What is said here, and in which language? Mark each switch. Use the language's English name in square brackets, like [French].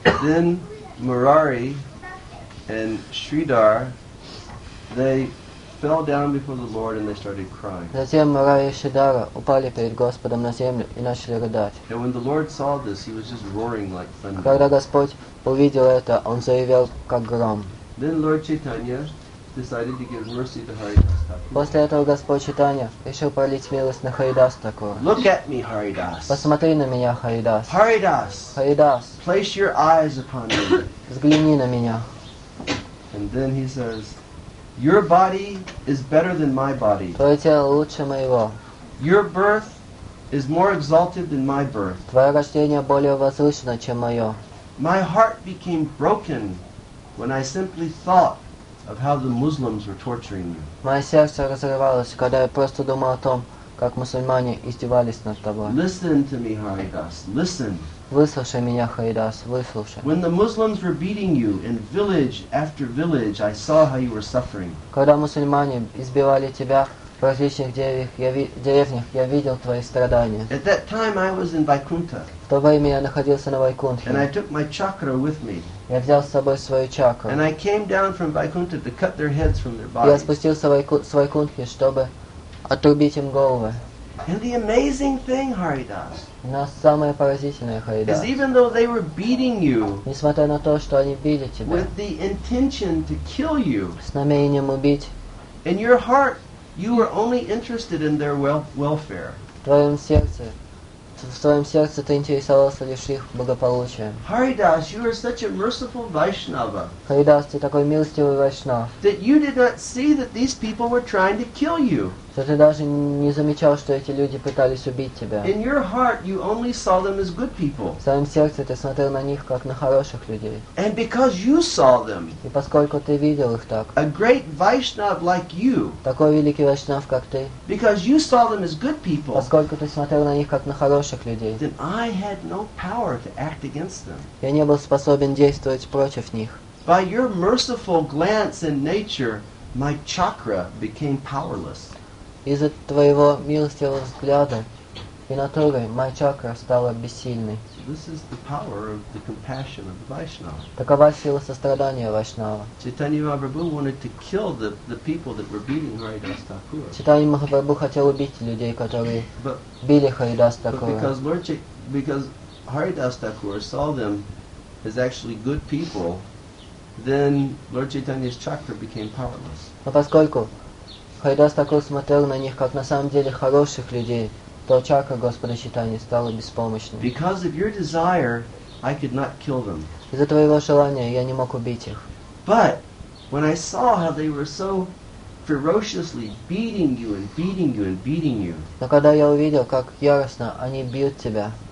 [English] Then Murari and Sridhar, they fell down before the Lord and they started crying. [Russian] Затем Мурари и Шридхара упали перед Господом на землю и начали рыдать. [English] And when the Lord saw this, he was just roaring like thunder. [Russian] Когда Господь увидел это, он заревел как гром. [English] Then Lord Chaitanya decided to give mercy to Hari Das Thakur. [Russian] После этого Господь Чайтанья решил пролить милость на Хари Дас Такур. [English] Look at me, Hari Das. [Russian] Посмотри на меня, Хари Дас. [English] Hari Das. Hari Das. Place your eyes upon me. [Russian] Взгляни на меня. [English] And then he says, your body is better than my body. [Russian] Твое тело лучше моего. [English] Your birth is more exalted than my birth. [Russian] Твое рождение более возвышено, чем мое. [English] My heart became broken when I simply thought of how the Muslims were torturing you. [Russian] Мое сердце разрывалось, когда я просто думал о том, как мусульмане издевались над тобой. [English] Listen to me, Hari Das. Listen. [Russian] Выслушай меня, Хари Дас, выслушай. [English] When the Muslims were beating you in village after village, I saw how you were suffering. [Russian] Когда мусульмане избивали тебя в различных деревнях, я видел твои страдания. [English] At that time I was in Vaikuntha. [Russian] В то время я находился на Вайкунтхе. [English] And I took my chakra with me. [Russian] Я взял с собой свою чакру. [English] And I came down from Vaikuntha to cut their heads from their bodies. [Russian] Я спустился с Вайкунтхи, чтобы отрубить им головы. [English] And the amazing thing, Hari Das, [Russian] но самое поразительное, Хари Дас, [English] is even though they were beating you, [Russian] несмотря на то, что они били тебя, [English] with the intention to kill you, [Russian] с намерением убить, [English] in your heart, you were only interested in their welfare. [Russian] В твоем сердце в твоем сердце ты интересовался лишь их благополучием. [English] Haridas, you are such a merciful Vaishnava. [Russian] Haridas, ты такой милостивый Вайшнав. [English] That you did not see that these people were trying to kill you. [Russian] Что ты даже не замечал, что эти люди пытались убить тебя. [English] In your heart, you only saw them as good people. [Russian] В своем сердце ты смотрел на них как на хороших людей. [English] And because you saw them. [Russian] И поскольку ты видел их так. [English] A great Vaishnav like you. [Russian] Такой великий Вайшнав как ты. [English] Because you saw them as good people. [Russian] Поскольку ты смотрел на них как на хороших людей. [English] Then I had no power to act against them. [Russian] Я не был способен действовать против них. [English] By your merciful glance and nature, my chakra became powerless. [Russian] Из-за твоего милостивого взгляда и натуры моя чакра стала бессильной. [English] This is the power of the compassion of the Vaishnava. [Russian] Такова сила сострадания Вайшнава. [English] Chaitanya Mahaprabhu wanted to kill the people that were beating Haridas Thakura. [Russian] Chaitanya Mahaprabhu хотел убить людей, которые били Haridas Thakura. [English] Because Haridas Thakura saw them as actually good people, then Lord Chaitanya's chakra became powerless. [Russian] Но поскольку Haridas Thakura смотрел на них как на самом деле хороших людей, то чакра Господа Чайтаньи стала беспомощной. [English] Because of your desire, I could not kill them. [Russian] Из-за твоего желания я не мог убить их. [English] But when I saw how they were so ferociously beating you and beating you and beating you, [Russian] но когда я увидел, как яростно они бьют тебя,